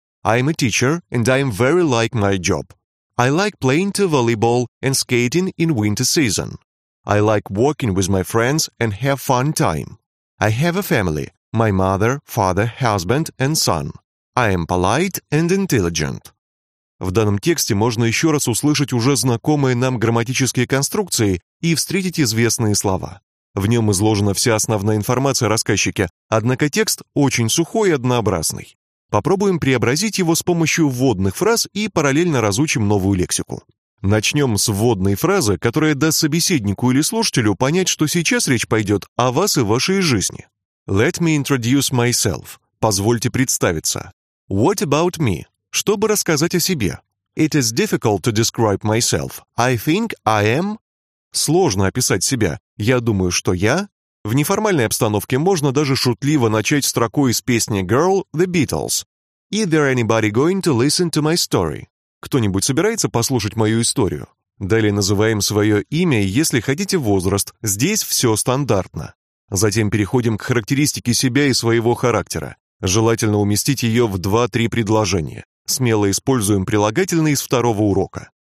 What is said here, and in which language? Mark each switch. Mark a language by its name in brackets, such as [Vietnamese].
[English] I'm a teacher, and I'm very like my job. I like playing to volleyball and skating in winter season. I like walking with my friends and have fun time. I have a family, my mother, father, husband and son. I am polite and intelligent. [Russian] В данном тексте можно еще раз услышать уже знакомые нам грамматические конструкции и встретить известные слова. В нем изложена вся основная информация о рассказчике, однако текст очень сухой и однообразный. Попробуем преобразить его с помощью вводных фраз и параллельно разучим новую лексику. Начнем с вводной фразы, которая даст собеседнику или слушателю понять, что сейчас речь пойдет о вас и вашей жизни. [English] Let me introduce myself. [Russian] Позвольте представиться. [English] What about me? [Russian] Чтобы рассказать о себе. [English] It is difficult to describe myself. I think I am... [Russian] Сложно описать себя. Я думаю, что я... В неформальной обстановке можно даже шутливо начать строку из песни Girl, The Beatles. [English] Is there anybody going to listen to my story? [Russian] Кто-нибудь собирается послушать мою историю? Далее называем свое имя, если хотите возраст. Здесь все стандартно. Затем переходим к характеристике себя и своего характера. Желательно уместить ее в 2-3 предложения. Смело используем прилагательные из второго урока.